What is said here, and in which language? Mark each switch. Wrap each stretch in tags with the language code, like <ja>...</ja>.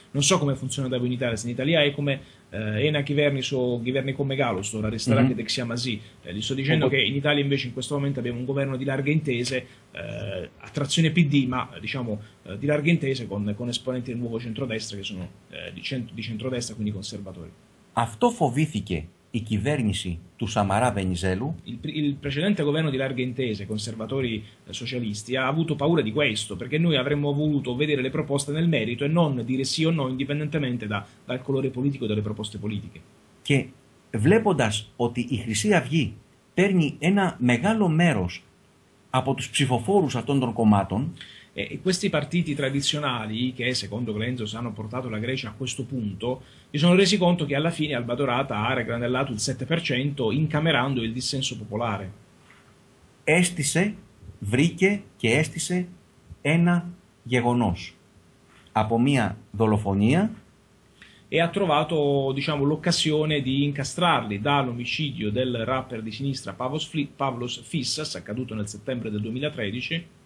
<it>Non so come funziona da voi in Italia, se in Italia è come Ena chi verni so governi come Galos, ora resterà che Dexia Masi. Gli sto dicendo che in Italia invece in questo momento abbiamo un governo di larghe intese, a trazione PD, ma diciamo, di larghe intese con esponenti del nuovo centrodestra che sono di centrodestra, quindi conservatori.</it> <el>Αυτό φοβήθηκε η κυβέρνηση του Σαμαρά Βενιζέλου.</el> <it>Il precedente governo di larghe intese, conservatori socialisti, ha avuto paura di questo, perché noi avremmo voluto vedere le proposte nel merito e non dire sì o no indipendentemente dal colore politico delle proposte politiche.</it> <el>Και βλέποντας ότι η Χρυσή Αυγή παίρνει ένα μεγάλο μέρος από τους ψηφοφόρους αυτών των κομμάτων,</el> <it>E questi partiti tradizionali, che secondo Glenzos hanno portato la Grecia a questo punto, si sono resi conto che alla fine Alba Dorata ha raggrandellato il 7%, incamerando il dissenso popolare.</it> <el>Έστησε, βρήκε και έστησε ένα γεγονός από μία δολοφονία.</el> <it>E ha trovato, diciamo, l'occasione di incastrarli dall'omicidio del rapper di sinistra Pavlos Fissas, accaduto nel settembre del 2013.</it>